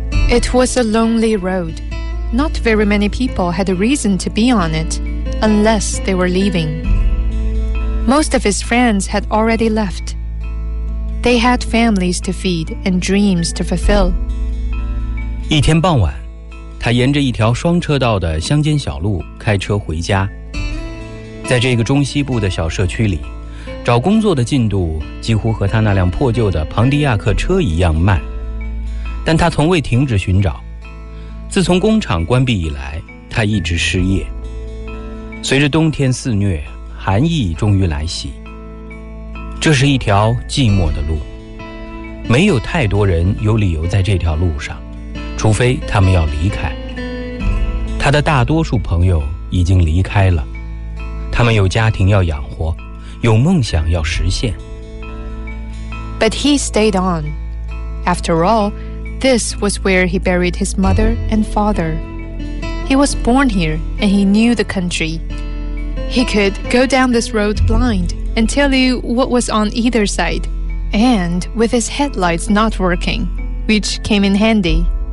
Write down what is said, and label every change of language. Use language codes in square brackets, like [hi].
[en] It was a lonely road. Not very many people had a reason to be on it. Unless they were leaving. Most of his friends had already left. They had families to feed and dreams to fulfill. [zh] 一天傍晚，他沿着一条双车道的乡间小路开车回家。在这个中西部的小社区里，找工作的进度几乎和他那辆破旧的庞迪亚克车一样慢。但他从未停止寻找。自从工厂关闭以来，他一直失业。随着冬天肆虐，寒意终于来袭。这是一条寂寞的路，没有太多人有理由在这条路上，除非他们要离开。他的大多数朋友已经离开了，他们有家庭要养活，有梦想要实现。 [en] But he stayed on. After all, this was where he buried his mother and father. He was born here, and he knew the country. He could go down this road blind and tell you what was on either side, and with his headlights not working, which came in handy.